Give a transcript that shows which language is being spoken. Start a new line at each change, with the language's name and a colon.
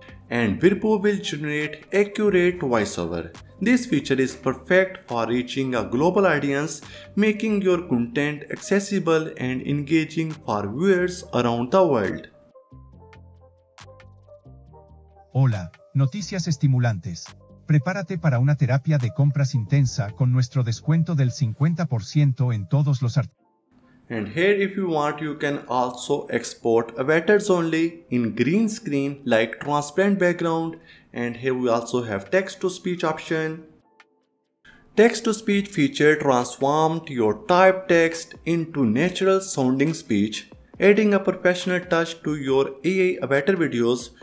English: And Virbo will generate accurate voiceover. This feature is perfect for reaching a global audience, making your content accessible and engaging for viewers around the world.
Spanish: Hola, noticias estimulantes. Prepárate para una terapia de compras intensa con nuestro descuento del 50% en todos los artículos.
English: And here, if you want, you can also export avatars only in green screen like transparent background. And here we also have text-to-speech option. Text-to-speech feature transformed your typed text into natural-sounding speech, adding a professional touch to your AI avatar videos.